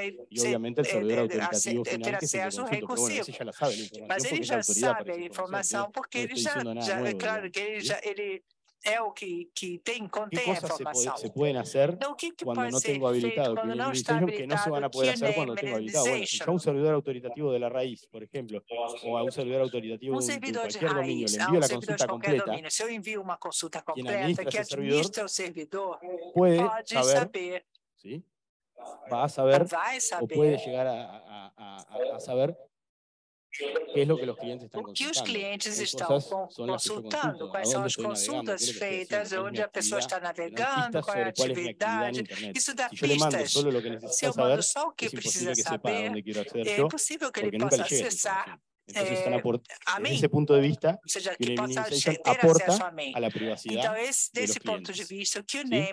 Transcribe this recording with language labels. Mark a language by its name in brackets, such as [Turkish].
[Spanish] y obviamente el servidor autoritativo final que se consulta, bueno, ese ya la sabe, [Portuguese] mas ele já sabe a informação, porque ele já, claro que ele já, ele é o que, que tem, contém a informação. [Spanish] Se pueden hacer cuando no tengo habilitado que no está habilitado, que no se van a poder hacer cuando tengo habilitado. Bueno, un servidor autoritativo de la raíz, por ejemplo, o a un servidor autoritativo de cualquier dominio, le envío la consulta completa. Si yo envío una consulta completa, que administra el servidor, puede saber, ¿sí? Va a saber, o puede llegar a saber qué es lo que los clientes están consultando. [Portuguese] O que os clientes estão consultando, quais são as consultas feitas, onde a pessoa está navegando, qual é a atividade. Isso dá pistas. Se eu mando só o que precisa saber, é possível que ele possa acessar. [Spanish] Entonces están aportando desde ese punto de vista, o sea, que el Nemization aporta a la privacidad. Entonces, desde ese punto de vista, que el Nemization,